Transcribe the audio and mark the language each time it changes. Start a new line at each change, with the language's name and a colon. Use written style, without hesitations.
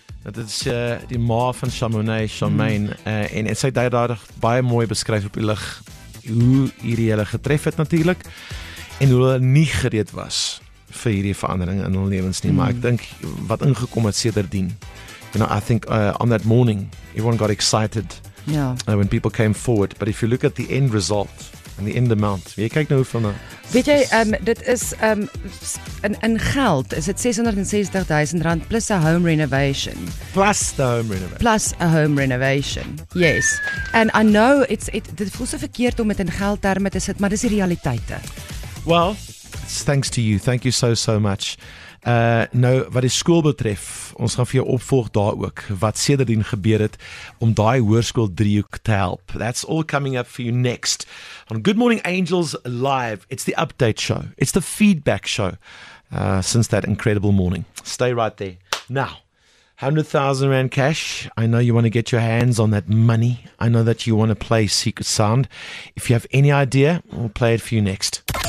Afrikaans: Dit is die ma van Chamonix, Charmaine, en sy het daar baie mooi beskryf op die lig, hoe hierdie hulle getref het natuurlijk, en hoe hulle nie gereed was vir hierdie verandering in hulle lewens nie, maar ek dink wat ingekom het sedertdien.
English: You know, I think on that morning everyone got excited. Yeah. When people came forward, but if you look at the end result and the end amount,
Afrikaans: jy kyk nou hoeveel nou. Weet jy, dit is in geld is dit R660,000
English: plus a home renovation. Plus the home renovation. Plus a home renovation. Yes. And I know
Afrikaans: dit voel so verkeerd om dit in geldterme te sit, maar dis die realiteite.
English: Well, thanks to you. Thank you so much.
Afrikaans: Nou, wat die school betref, ons gaan vir jou opvolg daar ook, wat sedertdien gebeur het, om die hoërskool driehoek te help.
English: That's all coming up for you next on Good Morning Angels Live. It's the update show. It's the feedback show since that incredible morning. Stay right there. Now, 100,000 Rand cash. I know you want to get your hands on that money. I know that you want to play Secret Sound. If you have any idea, we'll play it for you next.